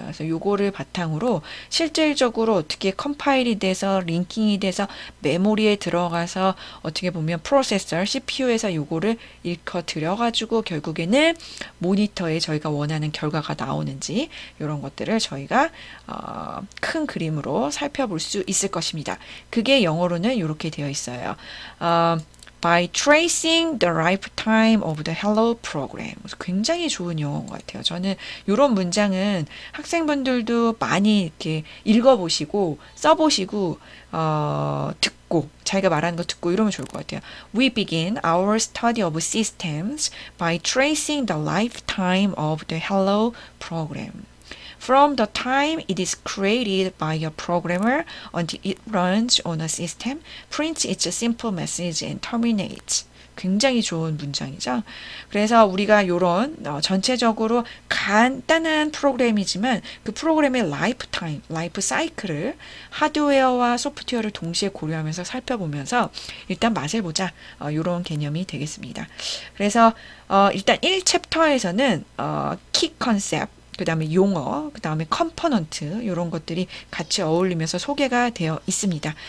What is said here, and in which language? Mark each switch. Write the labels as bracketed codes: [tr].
[ko] 그래서 요거를 바탕으로 실질적으로 어떻게 컴파일이 돼서 링킹이 돼서 메모리에 들어가서 어떻게 보면 프로세서, CPU에서 요거를 일컫들여 가지고 결국에는 모니터에 저희가 원하는 결과가 나오는지 이런 것들을 저희가 큰 그림으로 살펴볼 수 있을 것입니다. 그게 영어로는 이렇게 되어 있어요. [en] By tracing the lifetime of the hello program. [ko] 굉장히 좋은 영어인 것 같아요. 저는 이런 문장은 학생분들도 많이 이렇게 읽어보시고 써보시고 듣고 자기가 말하는 거 듣고 이러면 좋을 것 같아요. [en] We begin our study of systems by tracing the lifetime of the hello program. From the time it is created by a programmer until it runs on a system, prints its simple message and terminates. [ko] 굉장히 좋은 문장이죠. 그래서 우리가 이런 전체적으로 간단한 프로그램이지만 그 프로그램의 라이프타임, 라이프 사이클을 하드웨어와 소프트웨어를 동시에 고려하면서 살펴보면서 일단 맛을 보자. 이런 개념이 되겠습니다. 그래서 일단 1챕터에서는 키 컨셉, 그 다음에 용어, 그 다음에 컴포넌트 이런 것들이 같이 어울리면서 소개가 되어 있습니다.